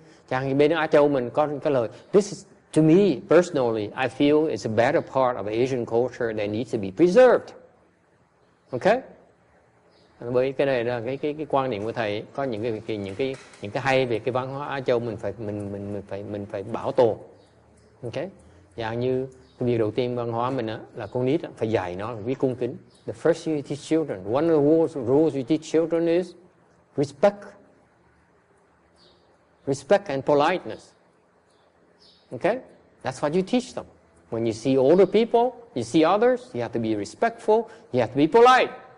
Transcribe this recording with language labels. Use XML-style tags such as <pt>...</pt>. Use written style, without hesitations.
<vi>Chẳng như bên Á Châu mình có cái lời,</vi> <en>this is, to me, personally, I feel it's a better part of Asian culture that needs to be preserved. Okay?</en> <vi>Bởi cái này là cái quan điểm của thầy, có những cái hay về cái văn hóa Á Châu mình phải bảo tồn. Okay? Dạng như cái việc đầu tiên văn hóa mình á là con nít á phải dạy nó biết cung kính.</vi> <en>The first thing you teach children, one of the rules you teach children is respect. Respect and politeness. Okay? That's what you teach them. When you see older people, you see others, you have to be respectful, you have to be polite.</en>